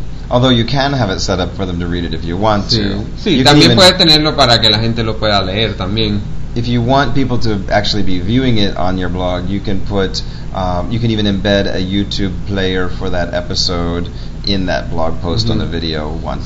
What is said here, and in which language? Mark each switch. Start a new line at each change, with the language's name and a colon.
English: Although you can have it set up for them to read it if you want to.
Spanish: Sí, también puedes tenerlo para que la gente lo pueda leer también.
English: If you want people to actually be viewing it on your blog, you can put you can even embed a YouTube player for that episode in that blog post on the video once.